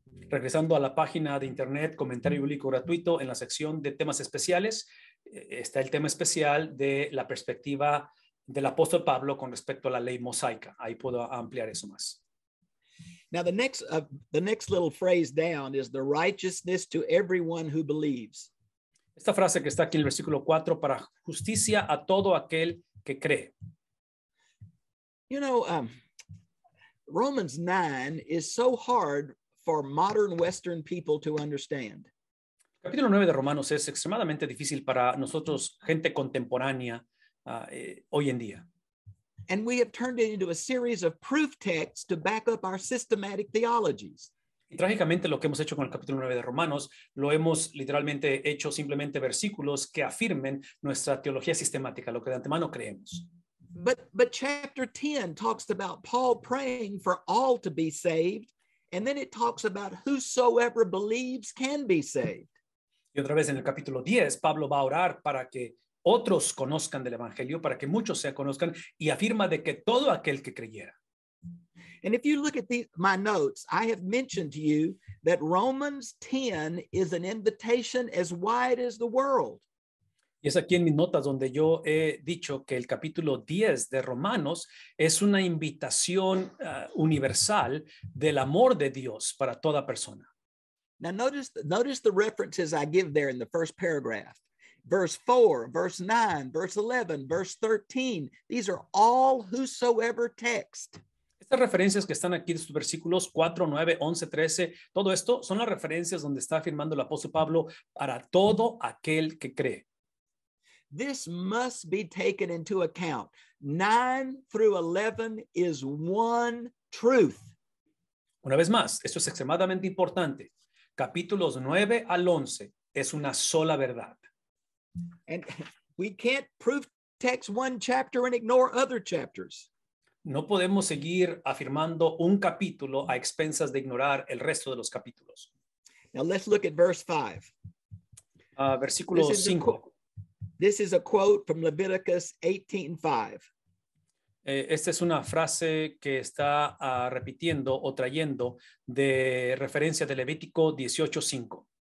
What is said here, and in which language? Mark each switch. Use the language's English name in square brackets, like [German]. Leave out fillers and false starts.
[Spanish] Regresando a la página de internet, comentario bíblico gratuito, en la sección de temas especiales, está el tema especial de la perspectiva del apóstol Pablo con respecto a la ley mosaica. Ahí puedo ampliar eso más. [English] Now the next little phrase down is the righteousness to everyone who believes. [Spanish] Esta frase que está aquí en el versículo 4, para justicia a todo aquel que cree. [English] You know, Romans 9 is so hard for modern Western people to understand. [Spanish] Capítulo 9 de Romanos es extremadamente difícil para nosotros, gente contemporánea, hoy en día. [English] And we have turned it into a series of proof texts to back up our systematic theologies. [Spanish] Trágicamente, lo que hemos hecho con el capítulo 9 de Romanos, lo hemos literalmente hecho simplemente versículos que afirmen nuestra teología sistemática, lo que de antemano creemos. [English] But chapter 10 talks about Paul praying for all to be saved, and then it talks about whosoever believes can be saved. [Spanish] Y otra vez en el capítulo 10, Pablo va a orar para que otros conozcan del evangelio, para que muchos se conozcan, y afirma de que todo aquel que creyera. [English] And if you look at my notes, I have mentioned to you that Romans 10 is an invitation as wide as the world. [Spanish] Y es aquí en mis notas donde yo he dicho que el capítulo 10 de Romanos es una invitación universal del amor de Dios para toda persona. [English] Now notice the references I give there in the first paragraph. Verse 4, verse 9, verse 11, verse 13. These are all whosoever text. [Spanish] Estas referencias que están aquí, estos versículos 4, 9, 11, 13, todo esto son las referencias donde está afirmando el apóstol Pablo para todo aquel que cree. [English] This must be taken into account. 9 through 11 is one truth. [Spanish] Una vez más, esto es extremadamente importante. Capítulos 9 al 11 es una sola verdad. [English] And we can't proof text one chapter and ignore other chapters. [Spanish] No podemos seguir afirmando un capítulo a expensas de ignorar el resto de los capítulos. [English] Now let's look at verse 5. [Spanish] Versículo 5. [English] This is a quote from Leviticus 18:5. [Spanish] Esta es una frase que está repitiendo o trayendo de referencia de Levítico 18:5.